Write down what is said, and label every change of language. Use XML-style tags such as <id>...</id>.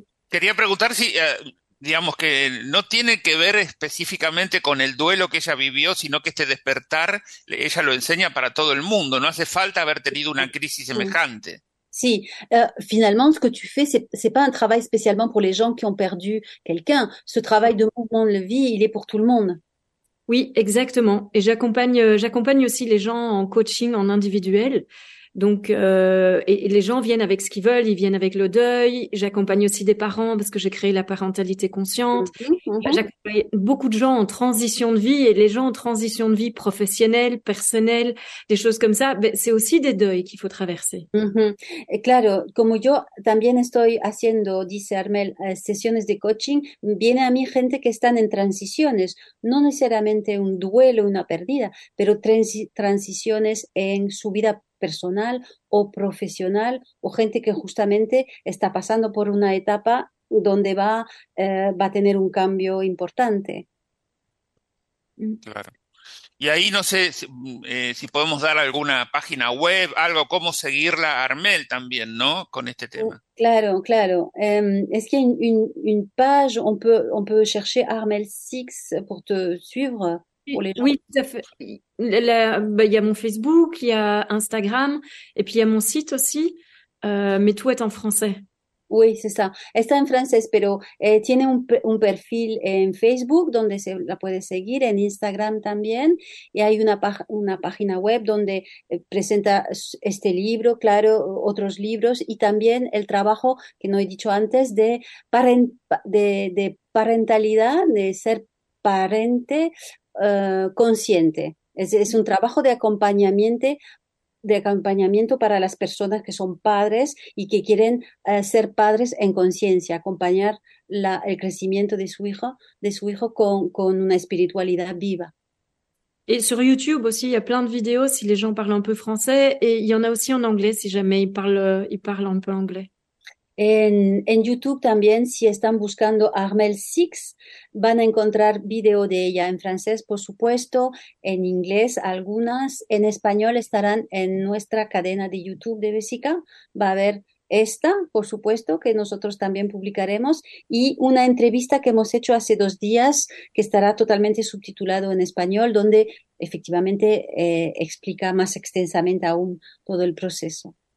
<es>Quería preguntar si, digamos que no tiene que ver específicamente con el duelo que ella vivió, sino que este despertar, ella lo enseña para todo el mundo. No hace falta haber tenido una crisis semejante.</es> <fr>Sí, finalement, ce que tu fais, ce n'est pas un travail spécialement pour les gens qui ont perdu quelqu'un. Ce travail de mouvement de vie, il est pour tout le monde. Oui, exactement. Et j'accompagne aussi les gens en coaching en individuel. Donc, et les gens viennent avec ce qu'ils veulent, ils viennent avec le deuil. J'accompagne aussi des parents parce que j'ai créé la parentalité consciente. J'accompagne beaucoup de gens en transition de vie et les gens en transition de vie professionnelle, personnelle, des choses comme ça. Ben, c'est aussi des deuils qu'il faut traverser.</fr> <es>Et claro, como yo también estoy haciendo, dice Armel, sesiones de coaching, viene a mí gente que están en transiciones, no necesariamente un duelo, una pérdida, pero transiciones en su vida personal o profesional, o gente que justamente está pasando por una etapa donde va a tener un cambio importante. Claro. Y ahí no sé si podemos dar alguna página web, algo, cómo seguirla, Armel también, ¿no? Con este tema. Claro.</es> <fr>Est-ce qu'il y a une page, on peut chercher Armel Six pour te suivre, pour les gens? Oui, tout à fait. Il y a mon Facebook, il y a Instagram, et puis il y a mon site aussi, mais tout est en français. Oui, c'est ça.</fr> <es>Está en francés, pero tiene un perfil en Facebook donde se la puede seguir, en Instagram también. Y hay una página web donde presenta este libro, claro, otros libros y también el trabajo que no he dicho antes de parentalidad, de ser parente consciente. Es un trabajo de acompañamiento para las personas que son padres y que quieren ser padres en conciencia, acompañar el crecimiento de su hijo con una espiritualidad viva.</es> <fr>Et sur YouTube aussi, il y a plein de vidéos si les gens parlent un peu français, et il y en a aussi en anglais si jamais ils parlent un peu anglais.</fr> <es>En YouTube también, si están buscando Armel Six, van a encontrar video de ella en francés, por supuesto, en inglés algunas, en español estarán en nuestra cadena de YouTube de Besika. Va a haber esta, por supuesto, que nosotros también publicaremos, y una entrevista que hemos hecho hace 2 días, que estará totalmente subtitulado en español, donde efectivamente explica más extensamente aún todo el proceso.</es>